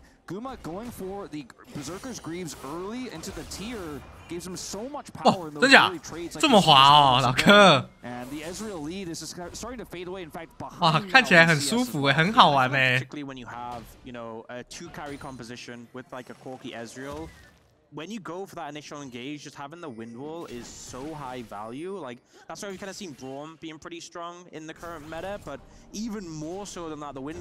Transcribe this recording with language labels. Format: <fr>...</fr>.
<en>Guma going for the Berserker's Greaves early into the tier gives him so much power in those early trades.</en> <zh>这么滑哦，老哥。</zh> <en>And the Ezreal lead is starting to fade away. In fact,</en> <zh>哇，看起来很舒服哎，很好玩哎。</zh> <en>Particularly when you have, you know, a two carry composition with like a quirky Ezreal, when you go for that initial engage, just having the wind wall is so high value. Like that's why we've kind of seen Braum being pretty strong in the current meta, but even more so than that, the wind.</en>